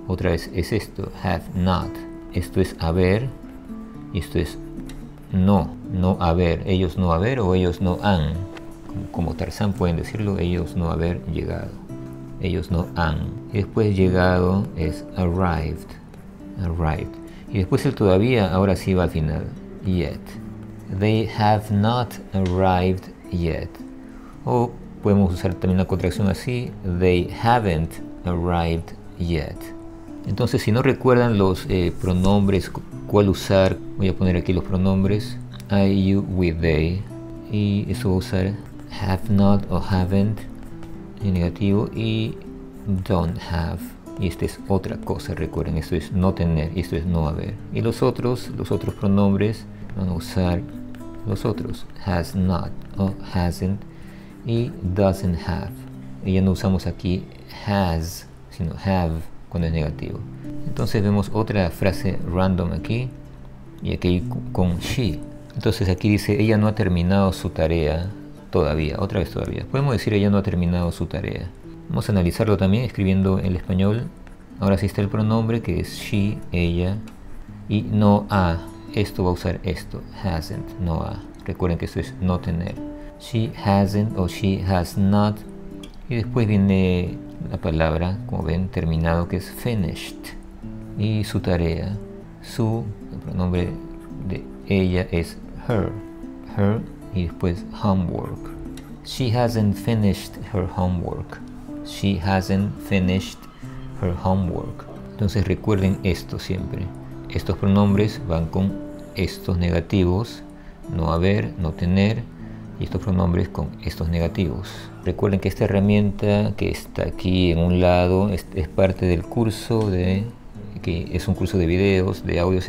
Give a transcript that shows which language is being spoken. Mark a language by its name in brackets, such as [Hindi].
[Spanish] Otra vez es esto, [English] have not. [Spanish] Esto es haber y esto es no, no haber. Ellos no haber o ellos no han. Como Tarzán pueden decirlo, ellos no haber llegado. Ellos no han. Y después llegado es arrived. Arrived. Y después el todavía, ahora sí va al final. [English] Yet. They have not arrived yet. [Spanish] O podemos usar también la contracción así, [English] they haven't arrived yet. [Spanish] Entonces, si no recuerdan los pronombres, cuál usar, voy a poner aquí los pronombres. [English] I, you, we, they. [Spanish] Y eso voy a usar have not o haven't en negativo y don't have. Y esta es otra cosa, recuerden, esto es no tener y esto es no haber. Y los otros pronombres, van a usar los otros. [English] Has not o hasn't y doesn't have. [Spanish] Y ya no usamos aquí has, sino have, cuando es negativo. Entonces vemos otra frase random aquí y aquí con she. Entonces aquí dice ella no ha terminado su tarea todavía, otra vez todavía. Podemos decir ella no ha terminado su tarea. Vamos a analizarlo también escribiendo en español. Ahora sí está el pronombre que es she, ella, y no ha. Esto va a usar esto, hasn't, no ha. Recuerden que esto es no tener. [English] She hasn't [Spanish] o [English] she has not. [Spanish] Y después viene la palabra, como ven, terminado, que es finished. Y su tarea, su, el pronombre de ella es her. Her y después homework. [English] She hasn't finished her homework. She hasn't finished her homework. [Spanish] Entonces recuerden esto siempre. Estos pronombres van con estos negativos, no haber, no tener, y estos pronombres con estos negativos. Recuerden que esta herramienta que está aquí en un lado es parte del curso de, que es un curso de videos, de audios.